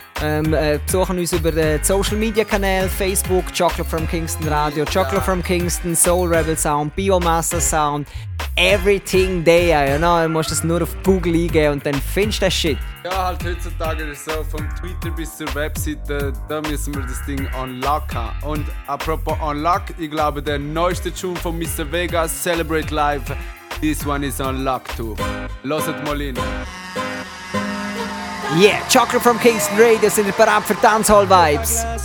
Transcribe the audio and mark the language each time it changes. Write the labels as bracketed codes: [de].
[de] Besuchen uns über den Social Media Kanal, Facebook, Chocolate from Kingston Radio, Chocolate from Kingston, Soul Rebel Sound, Biomassa Sound, [en] everything there, you know? [de] Du musst es nur auf Google eingeben und dann findest du das Shit. Ja, halt heutzutage ist so, vom Twitter bis zur Webseite, da müssen wir das Ding [en] on lock [de] haben. Und apropos [en] on lock, [de] ich glaube, der neueste Tune von Mr. [en] Vegas, Celebrate Live, this one is on lock too. [gsw] Loset mal rein. [de] Yeah, Chocolate from Kingston Radio, sind ihr bereit für Dancehall Vibes?